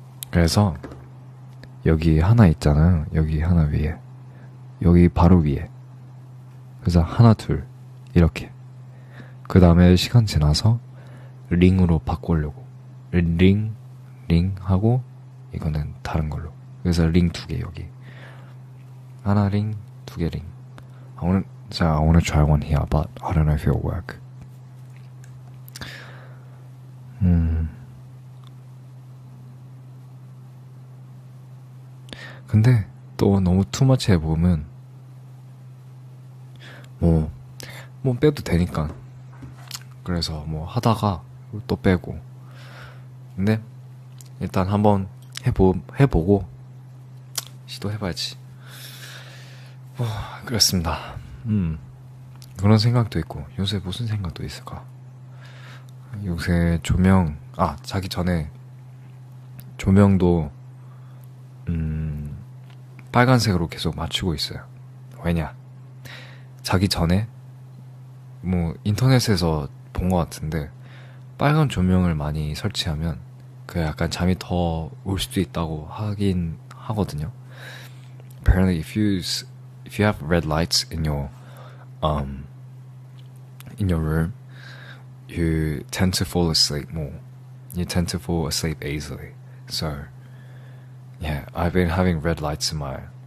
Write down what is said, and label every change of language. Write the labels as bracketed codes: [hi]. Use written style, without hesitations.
[ko] 그래서 여기 하나 있잖아요. 여기 하나 위에. 여기 바로 위에. 그래서 하나 둘 이렇게. 그 다음에 시간 지나서 링으로 바꾸려고. 링, 링 하고 이거는 다른 걸로. 그래서 링 두 개 여기. 하나 링, 두 개 링. [en] I wanna try one here, but I don't know if it'll work. [ko] 근데 또 너무 투머치 해보면 뭐 빼도 되니까. 그래서 뭐 하다가 또 빼고. 근데 일단 한번 해보고 시도해봐야지. 뭐 그렇습니다. 그런 생각도 있고 요새 무슨 생각도 있을까. 요새 조명, 아 자기 전에 조명도 빨간색으로 계속 맞추고 있어요. 왜냐? 자기 전에 뭐 인터넷에서 본 것 같은데 빨간 조명을 많이 설치하면 그 약간 잠이 더 올 수도 있다고 하긴 하거든요. [en] Apparently, if you have red lights in your room, you tend to fall asleep more. You tend to fall asleep easily. So, yeah, I've been having red lights in my